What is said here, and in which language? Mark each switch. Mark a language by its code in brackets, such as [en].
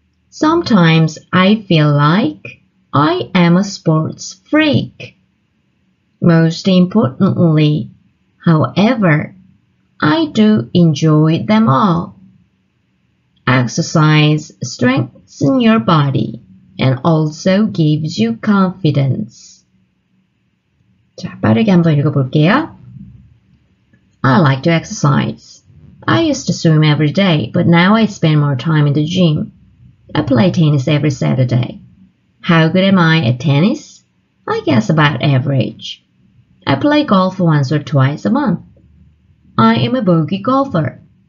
[en] Sometimes I feel like I am a sports freak. Most importantly, however, I do enjoy them all. Exercise strengthens your body and also gives you confidence. [ko] 자, 빠르게 한번 읽어볼게요. [en] I like to exercise. I used to swim every day, but now I spend more time in the gym. I play tennis every Saturday. How good am I at tennis? I guess about average. I play golf once or twice a month. I am a bogey golfer.